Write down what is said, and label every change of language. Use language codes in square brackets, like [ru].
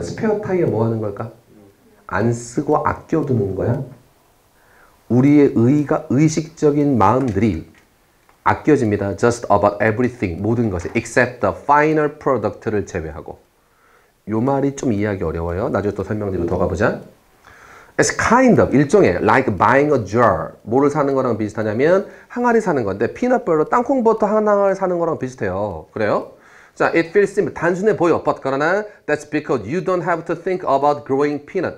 [ko] 스페어 타이어 뭐 하는 걸까? 안 쓰고 아껴두는 거야. 우리의 의식적인 마음들이 아껴집니다. [en] Just about everything, [ko] 모든 것에. [en] Except the final product를 [ko] 제외하고. 요 말이 좀 이해하기 어려워요. 나중에 또 설명대로 더 가보자. [en] It's kind of, [ko] 일종의, [en] like buying a jar. [ko] 뭐를 사는 거랑 비슷하냐면 항아리 사는 건데 피넛버터, 땅콩버터 하나를 사는 거랑 비슷해요. 그래요? 자, [en] it feels simple, [ko] 단순해 보여. [en] But [ko] 그러나, [en] that's because you don't have to think about growing peanut.